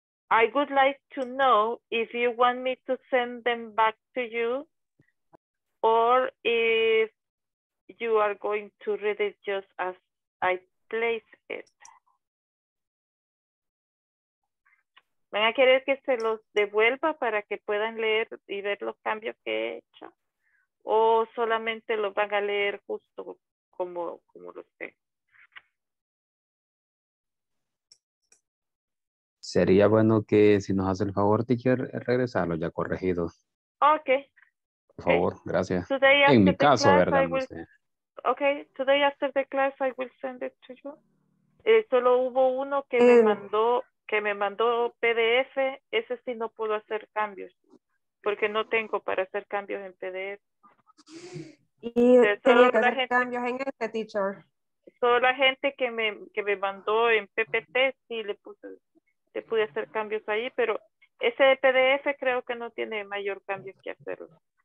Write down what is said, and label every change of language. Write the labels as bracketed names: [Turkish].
[English] I would like to know if you want me to send them back to you or if you are going to read it just as I place it. [Spanish] ¿Van a querer que se los devuelva para que puedan leer y ver los cambios que he hecho? ¿O solamente los van a leer justo como los tengo? Sería bueno que si nos hace el favor, teacher, regresarlo ya corregido. Ok. Por favor, okay. Gracias. [English] Today [Spanish] en mi caso, [English] class, [Spanish] ¿verdad? [English] Will, ok, today after the class I will send it to you. [Spanish] Solo hubo uno que me mandó PDF, ese sí no pudo hacer cambios, porque no tengo para hacer cambios en PDF. Y tenía que hacer cambios en este, teacher. Solo la gente que me mandó en PPT, sí le pude hacer cambios ahí, pero ese de PDF creo que no tiene mayor cambio que hacerlo.